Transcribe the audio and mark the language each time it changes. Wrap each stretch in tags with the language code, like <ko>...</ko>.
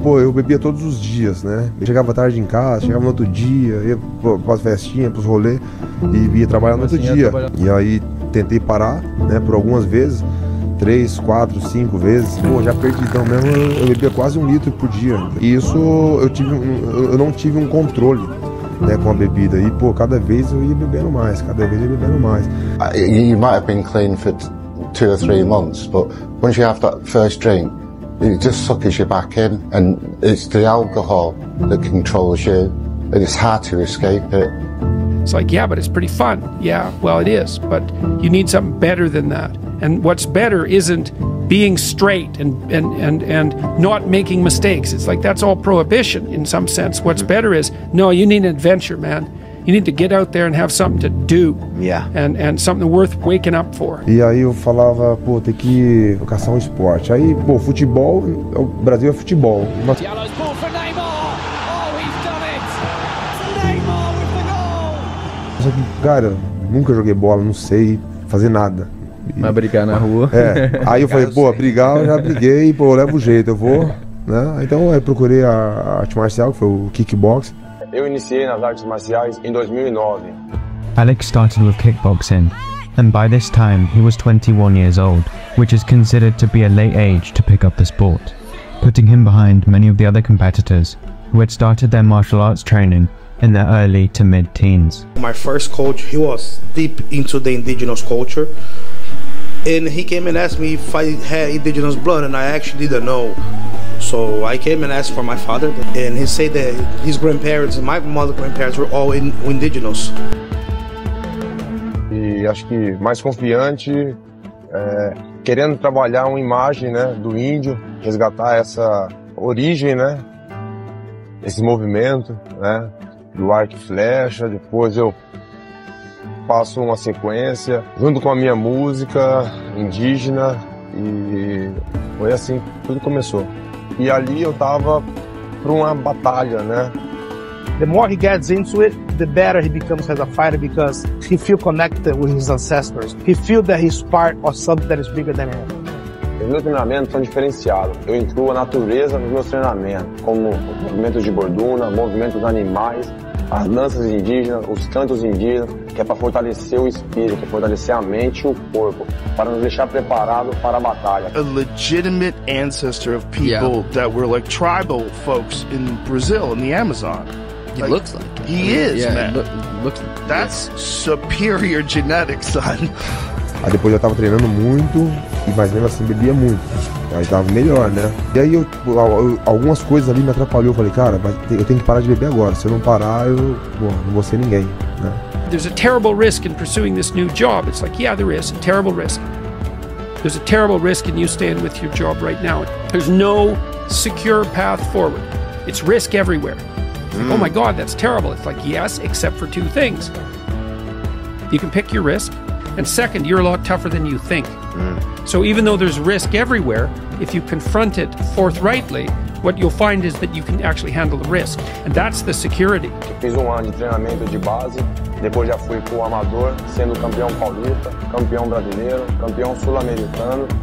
<pt>Pô, eu bebia todos os dias, né? Eu chegava tarde em casa, chegava no outro dia, ia pras festinhas, pros rolês, e ia trabalhar no outro dia. E aí tentei parar, né, por algumas vezes, 3, 4, 5 vezes. Pô, já perdidão mesmo, eu bebia quase 1 litro por dia. E isso, eu não tive um controle, né, com a bebida. E pô, cada vez eu ia bebendo mais, cada vez eu ia bebendo mais.</pt> <en>You might have been clean for 2 or 3 months, but once you have that first drink, it just suckers you back in, and it's the alcohol that controls you, and it's hard to escape it. It's like, yeah, but it's pretty fun. Yeah, well, it is, but you need something better than that. And what's better isn't being straight and not making mistakes. It's like, that's all prohibition in some sense. What's better is, no, you need an adventure, man. You need to get out there and have something to do. Yeah. And something worth waking up for.</en> <pt>E aí eu falava, pô, tem que caçar um esporte. Aí, pô, futebol, o Brasil é futebol.</pt> <en>Mas... Yellow's ball for Neymar! Oh, he's done it! It's Neymar with the goal!</en> <pt>Só que, cara, nunca joguei bola, não sei fazer nada. Mas brigar na rua. É. Aí eu falei, pô, brigar, eu já briguei, pô, eu levo o jeito, eu vou. Né? Então eu procurei a arte marcial, que foi o kickbox. Eu iniciei nas artes marciais em 2009.</pt> <en>Alex started with kickboxing, and by this time he was 21 years old, which is considered to be a late age to pick up the sport, putting him behind many of the other competitors who had started their martial arts training in their early to mid-teens. My first coach, he was deep into the indigenous culture, and he came and asked me if I had indigenous blood, and I actually didn't know. So I came and asked for my father, and he said that his grandparents, my mother's grandparents, were all indigenous.</en> <pt>E acho que mais confiante, querendo trabalhar uma imagem, né, do índio, resgatar essa origem, né, esse movimento, né, do arco e flecha. Depois eu passo uma sequência junto com a minha música indígena e foi assim que tudo começou. E ali eu tava para uma batalha, né?</pt> <en>The more he gets into it, the better he becomes as a fighter, because he feels connected with his ancestors. He feels that he's part of something that is bigger than him.</en> <pt>Os meus treinamentos são diferenciados. Eu incluo a natureza nos meus treinamentos, como movimentos de borduna, movimentos animais, as danças indígenas, os cantos indígenas, que é para fortalecer o espírito, fortalecer a mente e o corpo, para nos deixar preparados para a batalha.</pt> <en>A legitimate ancestor of people that were like tribal folks in Brazil, in the Amazon. He like, looks like it. He is, yeah, man. That's superior genetics, son.</en> <pt>Aí depois eu tava treinando muito, mas mesmo assim bebia muito. Aí tava melhor, né? E aí algumas coisas ali me atrapalhou. Eu falei, cara, eu tenho que parar de beber agora. Se eu não parar, eu não vou ser ninguém, né?</pt> <en>There's a terrible risk in pursuing this new job. It's like, yeah, there is a terrible risk. There's a terrible risk in you staying with your job right now. There's no secure path forward. It's risk everywhere. Mm. Oh my God, that's terrible. It's like, yes, except for two things. You can pick your risk. And second, you're a lot tougher than you think. Mm. So even though there's risk everywhere, if you confront it forthrightly, what you'll find is that you can actually handle the risk. And that's the security.</en> <pt>Eu fiz ano de treinamento de base, depois já fui pro amador, sendo campeão paulista, campeão brasileiro, campeão sul-americano.</pt>